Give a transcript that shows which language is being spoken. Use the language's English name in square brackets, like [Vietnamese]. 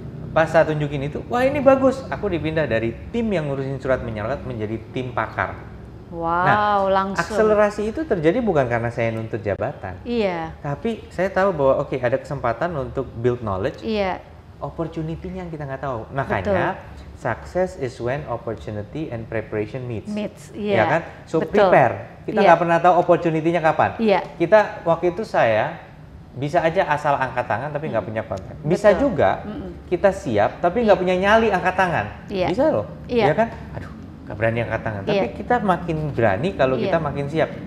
[Indonesian] Pas saya tunjukin itu, wah ini bagus. Aku dipindah dari tim yang ngurusin surat menyurat menjadi tim pakar. Wow, nah, langsung. Akselerasi itu terjadi bukan karena saya nuntut jabatan. Iya. Tapi saya tahu bahwa ada kesempatan untuk [English] build knowledge. [Indonesian] Iya. Opportunity-nya yang kita gak tahu. Makanya, betul. [English] Success is when opportunity and preparation meets. [Indonesian] Meets, iya. Ya kan? So betul. Prepare. Kita gak pernah tahu opportunity-nya kapan. Iya. Kita, waktu itu saya, bisa aja asal angkat tangan tapi nggak punya konten. Bisa betul. Juga kita siap tapi nggak punya nyali angkat tangan. Iya. Bisa loh, iya kan? Aduh, nggak berani angkat tangan. Tapi kita makin berani kalau kita makin siap.